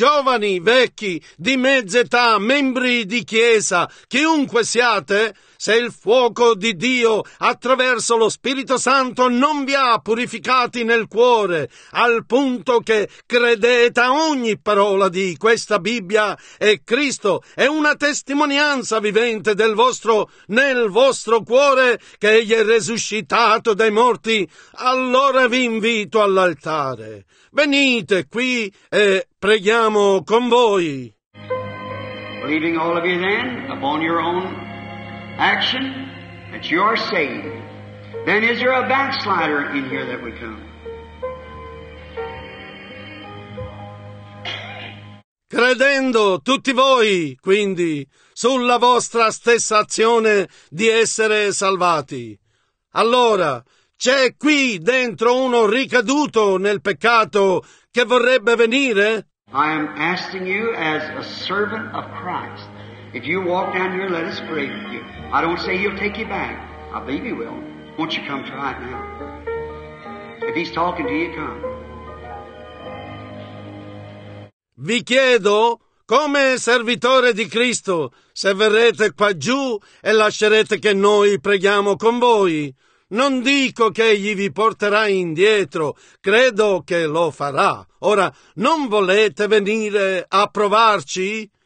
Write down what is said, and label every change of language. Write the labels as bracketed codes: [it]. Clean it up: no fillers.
[it] giovani, vecchi, di mezza età, membri di chiesa, chiunque siate, se il fuoco di Dio attraverso lo Spirito Santo non vi ha purificati nel cuore, al punto che credete a ogni parola di questa Bibbia e Cristo è una testimonianza vivente del vostro, nel vostro cuore, che egli è resuscitato dai morti, allora vi invito all'altare. Venite qui e preghiamo con voi. [en] Believing all of you then upon your own action that you are saved. Then is there a backslider in here that would come? [it] Credendo tutti voi, quindi, sulla vostra stessa azione di essere salvati. Allora, c'è qui dentro uno ricaduto nel peccato che vorrebbe venire? [en] I am asking you as a servant of Christ. If you walk down here, let us pray for you. I don't say he'll take you back. I believe he will. Won't you come try it now? If he's talking to you, come. [it] Vi chiedo, come servitore di Cristo, se verrete qua giù e lascerete che noi preghiamo con voi. Non dico che egli vi porterà indietro, credo che lo farà. Ora, non volete venire a provarci?